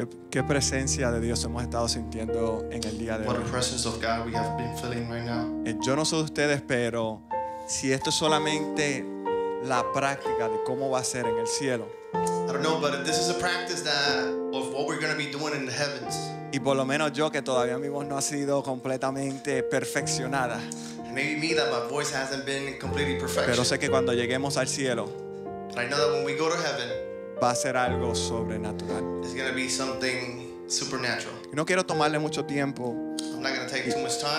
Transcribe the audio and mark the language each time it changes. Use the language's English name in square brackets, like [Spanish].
[Spanish] ¿Qué presencia de Dios hemos estado sintiendo en el día de [English] what [Spanish] hoy? [English] What presence of God we have been feeling right now. [Spanish] Yo no sé de ustedes, pero si esto es solamente la práctica de cómo va a ser en el cielo. [English] I don't know, but if this is a practice that of what we're going to be doing in the heavens. [Spanish] Y por lo menos yo, que todavía mi voz no ha sido completamente perfeccionada. [English] Maybe me, that my voice hasn't been completely perfected. [Spanish] Pero sé que cuando lleguemos al cielo, [English] but I know that when we go to heaven, [Spanish] va a ser algo sobrenatural. [English] It's going to be something supernatural. [Spanish] No quiero tomarle mucho tiempo. [English] I'm not going to take too much time.